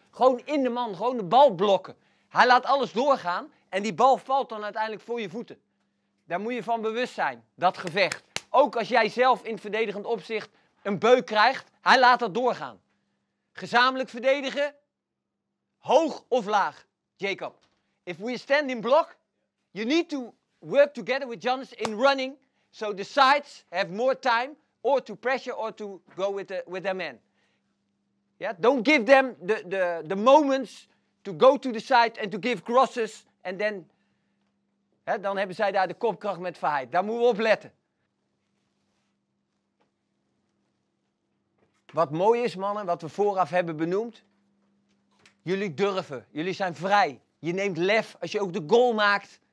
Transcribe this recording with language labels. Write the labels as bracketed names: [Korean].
[Dutch] Gewoon in de man, gewoon de bal blokken. Hij laat alles doorgaan en die bal valt dan uiteindelijk voor je voeten. Daar moet je van bewust zijn, dat gevecht. Ook als jij zelf in verdedigend opzicht een beuk krijgt, hij laat dat doorgaan. Gezamenlijk verdedigen, hoog of laag, Jacob. [English] If we stand in block, you need to work together with Jonas in running. So the sides have more time or to pressure or to go with their men. Yeah? Don't give them the moments to go to the side and to give crosses. And then [Dutch] dan hebben zij daar de kopkracht met Verheid. Daar moeten we op letten. Wat mooi is, mannen, wat we vooraf hebben benoemd. Jullie durven. Jullie zijn vrij. Je neemt lef als je ook de goal maakt.